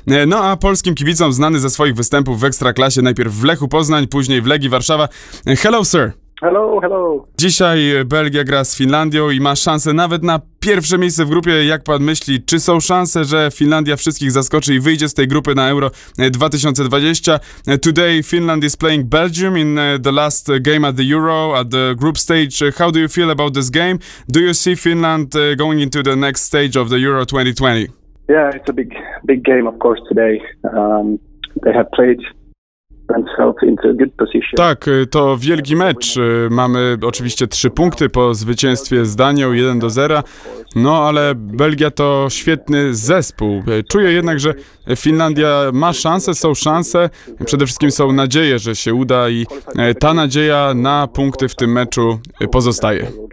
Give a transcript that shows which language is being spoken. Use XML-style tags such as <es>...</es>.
<pl>No a polskim kibicom znany ze swoich występów w Ekstraklasie, najpierw w Lechu Poznań, później w Legii Warszawa.</pl> <en>Hello, sir! Hello!</en> <pl>Dzisiaj Belgia gra z Finlandią i ma szansę nawet na pierwsze miejsce w grupie. Jak pan myśli, czy są szanse, że Finlandia wszystkich zaskoczy i wyjdzie z tej grupy na Euro 2020?</pl> <en>Today Finland is playing Belgium in the last game at the Euro, at the group stage. How do you feel about this game? Do you see Finland going into the next stage of the Euro 2020? Yeah, it's a big game, of course, today. They have played themselves into a good position.</en> <pl>Tak, to wielki mecz. Mamy oczywiście 3 punkty po zwycięstwie z Danią 1-0. No, ale Belgia to świetny zespół. Czuję jednak, że Finlandia ma szanse, są szanse. Przede wszystkim są nadzieje, że się uda i ta nadzieja na punkty w tym meczu pozostaje.</pl>